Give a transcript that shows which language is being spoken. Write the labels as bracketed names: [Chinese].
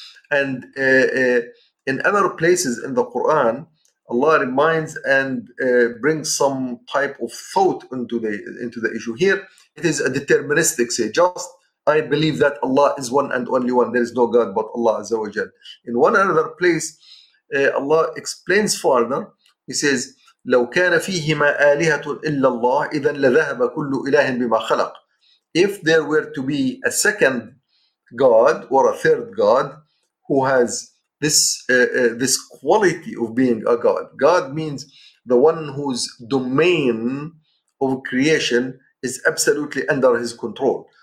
[English] And in other places in the Quran, Allah reminds and brings some type of thought into the issue. Here, it is a deterministic, say, just I believe that Allah is one and only one. There is no God but Allah Azza wa Jal. In one other place, Allah explains further. He says, [Arabic] لو كان فيهما آلهة إلا الله إذا لذهب كل إله بما خلق. [English] If there were to be a second God or a third God who has this this quality of being a God. God means the one whose domain of creation is absolutely under his control.